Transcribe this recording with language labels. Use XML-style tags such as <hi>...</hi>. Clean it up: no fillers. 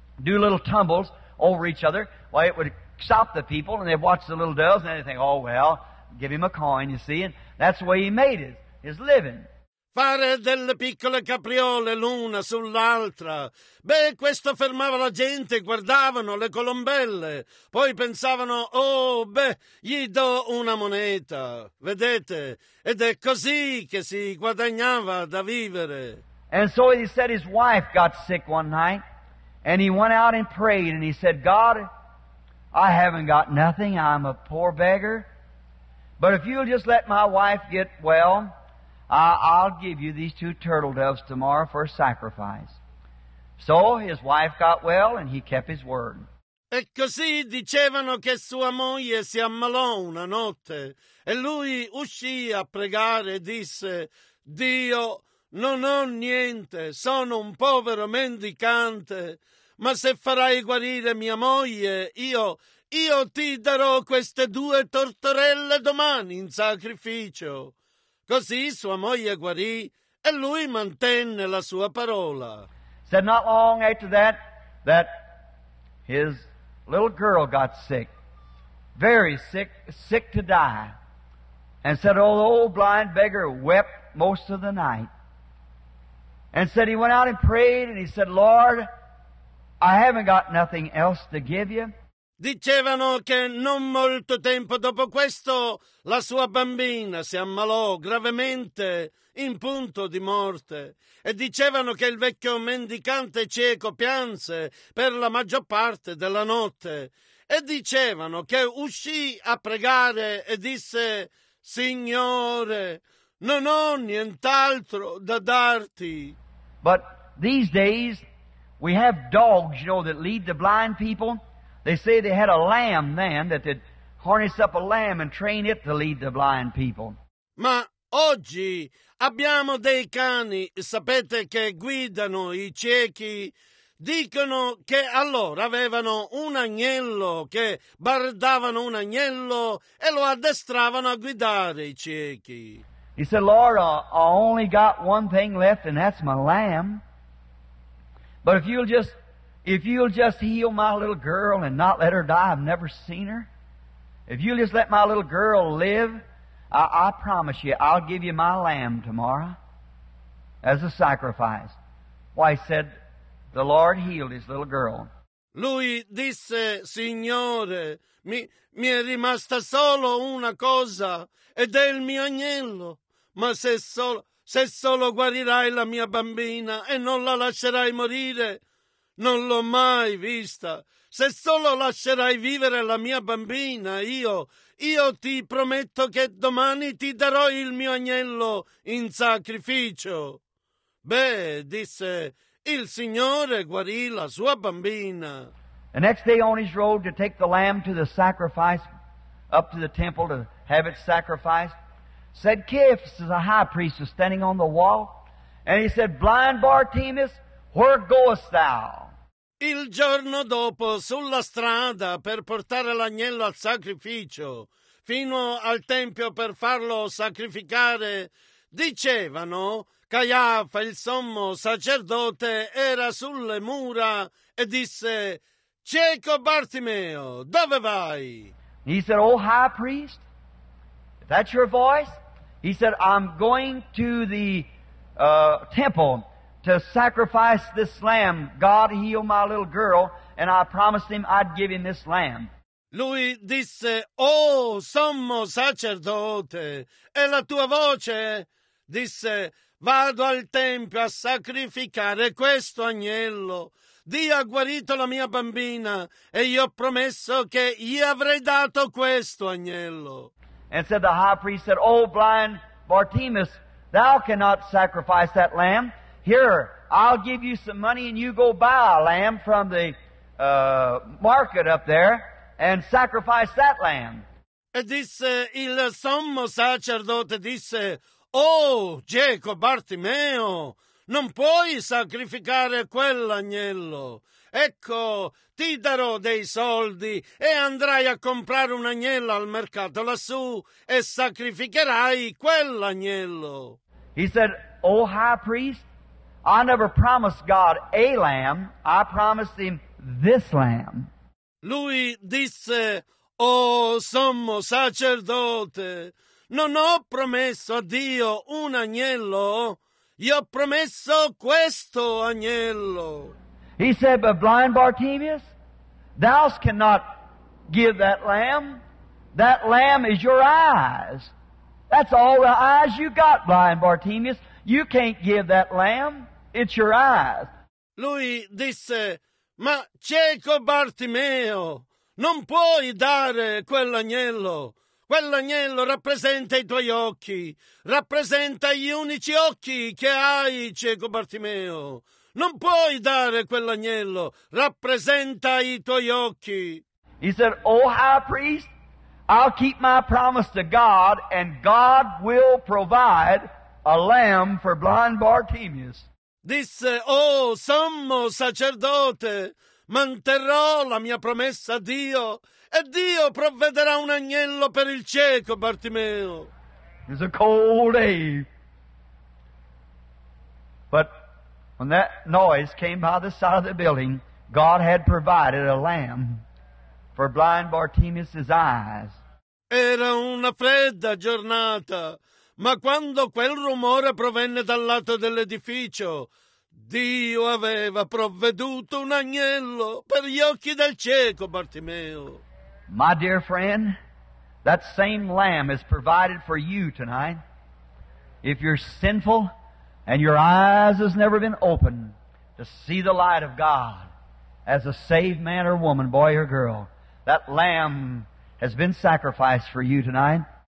<en>Do little tumbles over each other. Well, it would stop the people, and they'd watch the little doves, and they'd think, oh, well, give him a coin, you see, and that's the way he made it, his living.</en> <it>Fare delle piccole capriole l'una sull'altra. Beh, questo fermava la gente, guardavano le colombelle. Poi pensavano, oh, beh, gli do una moneta. Vedete? Ed è così che si guadagnava da vivere.</it> <en>And so he said his wife got sick one night, and he went out and prayed, and he said, God, I haven't got nothing, I'm a poor beggar. But if you'll just let my wife get well, I'll give you these two turtle doves tomorrow for a sacrifice. So his wife got well and he kept his word.</en> <it>E così dicevano che sua moglie si ammalò una notte. E lui uscì a pregare e disse, Dio, non ho niente, sono un povero mendicante, ma se farai guarire mia moglie, io ti darò queste due tortorelle domani in sacrificio. Così sua moglie guarì e lui mantenne la sua parola.</it> <en>Said not long after that his little girl got sick, very sick, sick to die, and said, oh, the old blind beggar wept most of the night, and said he went out and prayed, and he said, Lord, I haven't got nothing else to give you.</en> <it>Dicevano che non molto tempo dopo questo la sua bambina si ammalò gravemente in punto di morte e dicevano che il vecchio mendicante cieco pianse per la maggior parte della notte e dicevano che uscì a pregare e disse Signore, non ho nient'altro da darti.</it> <en>But these days we have dogs, you know, that lead the blind people. They say they had a lamb then that they'd harness up a lamb and train it to lead the blind people.</en> <it>Ma oggi abbiamo dei cani, sapete, che guidano i ciechi. Dicono che allora avevano un agnello, che bardavano un agnello e lo addestravano a guidare i ciechi.</it> <en>He said, Lord, I only got one thing left and that's my lamb. But if you'll just heal my little girl and not let her die, I've never seen her. If you'll just let my little girl live, I promise you, I'll give you my lamb tomorrow as a sacrifice. Why, said, the Lord healed his little girl.</en> <it>Lui disse, Signore, mi è rimasta solo una cosa, ed è il mio agnello. Ma se solo guarirai la mia bambina e non la lascerai morire, non l'ho mai vista. Se solo lascerai vivere la mia bambina, io ti prometto che domani ti darò il mio agnello in sacrificio. Beh, disse, il Signore guarì la sua bambina.</it> <en>The next day on his road to take the lamb to the sacrifice, up to the temple to have it sacrificed, said Caiaphas, the high priest, was standing on the wall, and he said, blind Bartimaeus, where goest thou?</en> <it>Il giorno dopo, sulla strada per portare l'agnello al sacrificio, fino al tempio per farlo sacrificare, dicevano, Caiafa, il sommo sacerdote, era sulle mura e disse, cieco Bartimeo, dove vai?</it> <en>He said, oh high priest, if that's your voice, he said, I'm going to the temple to sacrifice this lamb. God heal my little girl, and I promised him I'd give him this lamb.</en> <it>Lui disse, oh, sommo sacerdote, è la tua voce? Disse, vado al tempio a sacrificare questo agnello. Dio ha guarito la mia bambina, e io ho promesso che gli avrei dato questo agnello.</it> <en>And said the high priest, said, oh, blind Bartimaeus, thou cannot sacrifice that lamb. Here, I'll give you some money and you go buy a lamb from the market up there and sacrifice that lamb.</en> <it>E disse il sommo sacerdote, disse, oh, cieco Bartimeo, Non puoi sacrificare quell'agnello. Ecco, ti darò dei soldi e andrai a comprare un agnello al mercato lassù e sacrificherai quell'agnello.</it> <en>He said, O high priest, I never promised God a lamb, I promised him this lamb.</en> <it>Lui disse, O sommo sacerdote, non ho promesso a Dio un agnello, gli ho promesso questo agnello.</it> <en>He said, But blind Bartimaeus, thou cannot give that lamb. That lamb is your eyes. That's all the eyes you got, blind Bartimaeus. You can't give that lamb. It's your eyes.</en> <it>Lui disse, Ma cieco Bartimeo, non puoi dare quell'agnello. Quell'agnello rappresenta i tuoi occhi. Rappresenta gli unici occhi che hai, cieco Bartimeo. Non puoi dare quell'agnello. Rappresenta i tuoi occhi.</it> <en>He said, O high priest, I'll keep my promise to God, and God will provide a lamb for blind Bartimaeus.</en> <it>Disse, Oh, sommo sacerdote, manterrò la mia promessa a Dio, e Dio provvederà un agnello per il cieco Bartimeo.</it> <en>It's a cold day. But when that noise came by the side of the building, God had provided a lamb for blind Bartimaeus' eyes.</en> <it>Era una fredda giornata, ma quando quel rumore provenne dal lato dell'edificio, Dio aveva provveduto un agnello per gli occhi del cieco Bartimeo.</it> <en>My dear friend, that same lamb is provided for you tonight. If you're sinful and your eyes has never been opened to see the light of God as a saved man or woman, boy or girl, that lamb has been sacrificed for you tonight.</en>